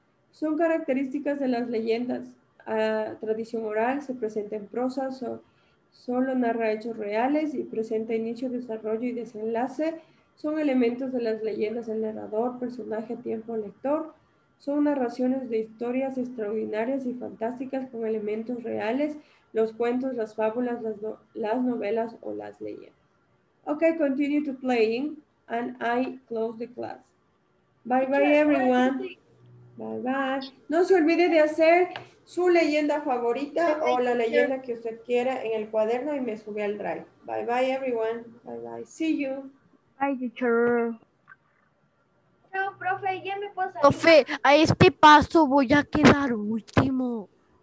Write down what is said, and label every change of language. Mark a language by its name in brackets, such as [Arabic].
[Spanish] Son características de las leyendas. A tradición oral, se presenta en prosa, solo narra hechos reales y presenta inicio, desarrollo y desenlace. son elementos de las leyendas, el narrador, personaje, tiempo, lector. Son narraciones de historias extraordinarias y fantásticas con elementos reales, los cuentos, las fábulas, las novelas o las leyendas. [English] Okay, continue to playing and I close the class. Bye bye everyone. Bye bye. [Spanish] No se olvide de hacer su leyenda favorita o la leyenda que usted quiera en el cuaderno y me sube al drive. [English] Bye bye everyone. Bye bye. See you. Bye teacher. [Spanish] Chao, profe, ya me puedo salir. Profe, a este paso voy a quedar último.